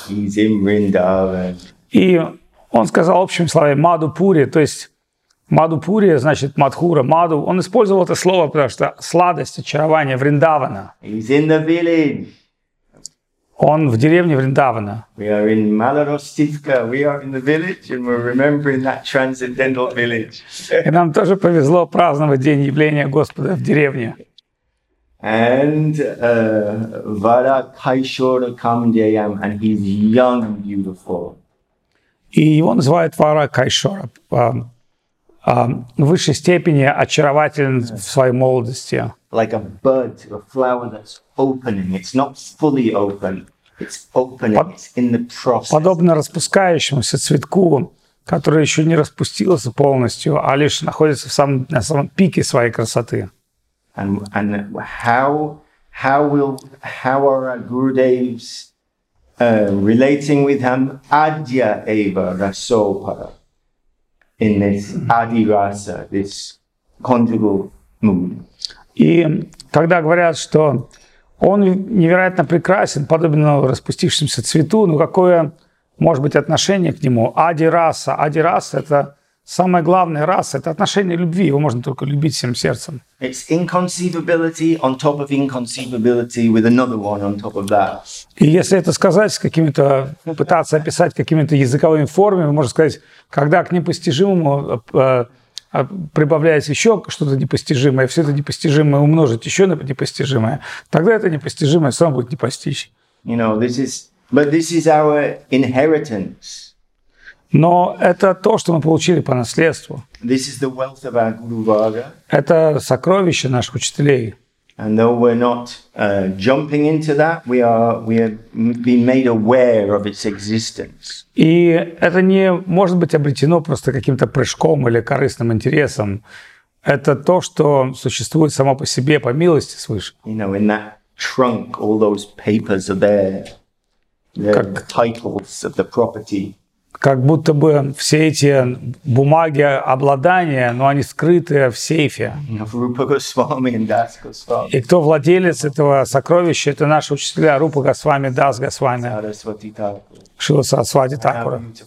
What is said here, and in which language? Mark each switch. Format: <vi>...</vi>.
<en>He's in Vrindavan.</en> <ru>И он сказал общими словами Маду Пури, то есть Маду Пури значит Мадхура, Маду. Он использовал это слово, потому что сладость, очарование Вриндавана.</ru> <en>He's in the village.</en> <ru>Он в деревне Вриндавана.</ru> <en>We are in Malarostivka. We are in the village, and we're remembering that transcendental village.</en> <ru>И нам тоже повезло праздновать день явления Господа в деревне.</ru> <en>And Vara Kaishora Kamdeyam, and he's young, beautiful.</en> <ru>И его называют Вара Кайшора, в высшей степени очарователен в своей молодости.</ru> <en>Like a bud, a flower that's opening. It's not fully open. It's opening. It's in the process.</en> <ru>Подобно распускающемуся цветку, который еще не распустился полностью, а лишь находится в самом, на самом пике своей красоты.</ru> <en>And how are our Gurudevs relating with him?</en> <sa>Adya eva rasopara</sa> <en>in this adi rasa, this conjugal mood.</en> <ru>И когда говорят, что он невероятно прекрасен, подобно распустившемуся цвету, ну какое может быть отношение к нему? Ади раса это самая главная раса, это отношение любви, его можно только любить всем сердцем.</ru> <en>It's inconceivability on top of inconceivability with another one on top of that.</en> <ru>И если это сказать с какими-то, пытаться описать какими-то языковыми формами, можно сказать, когда к непостижимому прибавляется еще что-то непостижимое, все это непостижимое умножить еще на непостижимое, тогда это непостижимое само будет непостичь.</ru> <en>You know, but this is our inheritance.</en> <ru>Но это то, что мы получили по наследству.</ru> <en>This is the wealth of our Guru Varga.</en> <ru>Это сокровище наших учителей.</ru> <en>And though we're not jumping into that, we have been made aware of its existence.</en> <ru>И это не может быть обретено просто каким-то прыжком или корыстным интересом. это то, что существует само по себе, по милости свыше.</ru> <en>You know, in that trunk, all those papers are there. The как, titles of the property.</en> <ru>Как будто бы все эти бумаги обладания, но они скрыты в сейфе.</ru> <en>Rupa Goswami and Das Goswami.</en> <ru>И кто владелец этого сокровища, это наши учителя Рупа Госвами, Дас Госвами, Шрила Сарасвати Такура.</ru>